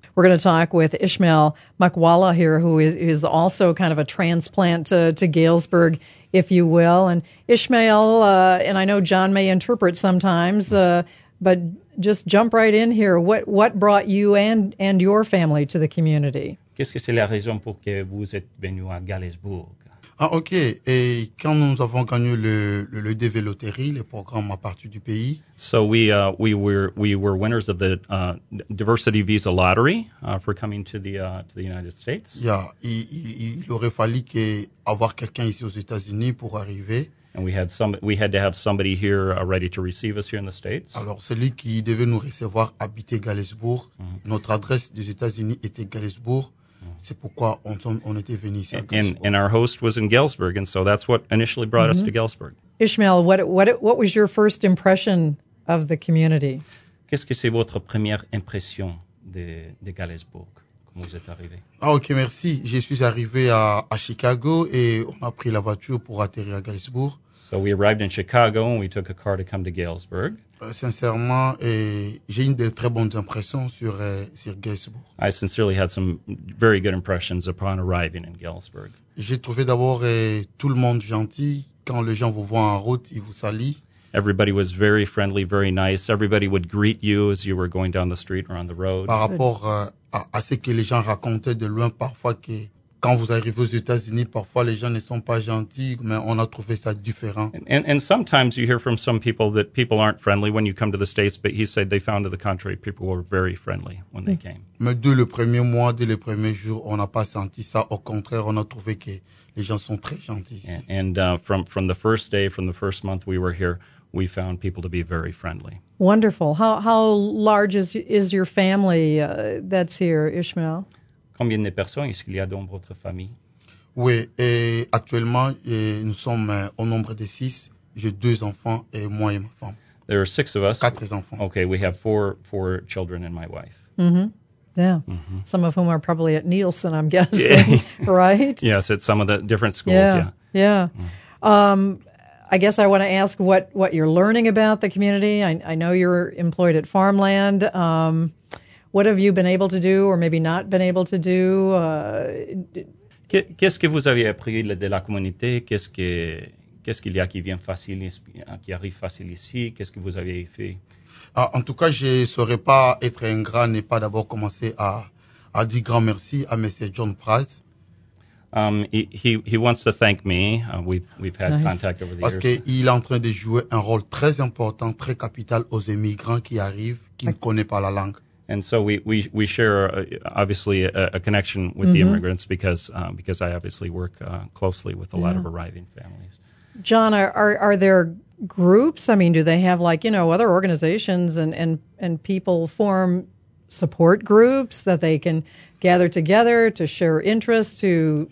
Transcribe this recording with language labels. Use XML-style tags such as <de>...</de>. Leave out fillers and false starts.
<en>We're going to talk with Ishmael Makwala here, who is also kind of a transplant to Galesburg, if you will. And Ishmael, and I know John may interpret sometimes, but just jump right in here. What brought you and your family to the community?</en> <fr>Qu'est-ce que c'est la raison pour que vous êtes venu à Galesburg? Ah, OK. Et quand nous avons gagné le DV Loterie, le programme à partir du pays?</fr> <en>So we were winners of the Diversity Visa Lottery for coming to the United States.</en> <fr>Yeah, il aurait fallu que avoir quelqu'un ici aux États-Unis pour arriver.</fr> <en>And we had to have somebody here ready to receive us here in the States.</en> <fr>Alors celui qui devait nous recevoir habitait Galesburg. Mm-hmm. Notre adresse des États-Unis était Galesburg. C'est pourquoi on était venu ici à Galesburg.</fr> <en>And our host was in Galesburg, and so that's what initially brought us to Galesburg. Ishmael, what was your first impression of the community?</en> <fr>Qu'est-ce que c'est votre première impression de Galesburg? Comment vous êtes arrivé? Ah, OK, merci. Je suis arrivé à Chicago, et on a pris la voiture pour atterrir à Galesburg.</fr> <en>So we arrived in Chicago, and we took a car to come to Galesburg.</en> <fr>Sincèrement, j'ai une de très bonnes impressions sur Galesburg.</fr> <en>I sincerely had some very good impressions upon arriving in Galesburg.</en> <fr>J'ai trouvé d'abord tout le monde gentil. Quand les gens vous voient en route, ils vous saluent.</fr> <en>Everybody was very friendly, very nice. Everybody would greet you as you were going down the street or on the road.</en> <fr>Par rapport à ce que les gens racontaient de loin, parfois que quand vous arrivez aux États-Unis, parfois les gens ne sont pas gentils, mais on a trouvé ça différent.</fr> <en>And sometimes you hear from some people that people aren't friendly when you come to the States, but he said they found to the contrary, people were very friendly when they came.</en> <fr>Mais dès le premier mois, dès le premier jour, on n'a pas senti ça. Au contraire, on a trouvé que les gens sont très gentils.</fr> <en>And from the first day, from the first month we were here, we found people to be very friendly. Wonderful. How large is your family that's here, Ishmael?</en> <fr>Combien de personnes est-ce qu'il y a dans votre famille? Oui, et actuellement, et nous sommes au nombre de six. J'ai deux enfants et moi et ma femme.</fr> <en>There are six of us.</en> <fr>Quatre enfants.</fr> <en>Okay, we have four children and my wife. Mm-hmm. Yeah. Mm-hmm. Some of whom are probably at Nielsen, I'm guessing, yeah. Right? Yes, at some of the different schools, yeah. Yeah. Yeah. Mm. I guess I want to ask what you're learning about the community. I know you're employed at Farmland. What have you been able to do or maybe not been able to do?</en> <fr>Qu'est-ce que vous avez appris de la communauté? Qu'est-ce qu'il y a qui vient facile, qui arrive facile ici? Qu'est-ce que vous avez fait? Ah, en tout cas, je ne saurais pas être ingrat et pas d'abord commencer à dire grand merci à M. John Price.</fr> <en>He wants to thank me. We've had nice. Contact over the</en> <fr>Parce</fr> <en>years.</en> <fr>Parce qu'il est en train de jouer un rôle très important, très capital aux immigrants qui arrivent, qui ne connaissent pas la langue.</fr> <en>And so we share obviously a connection with mm-hmm. the immigrants because I obviously work closely with a yeah. lot of arriving families. John, are there groups? I mean, do they have like you know other organizations and people form support groups that they can gather together to share interests to sure.</en>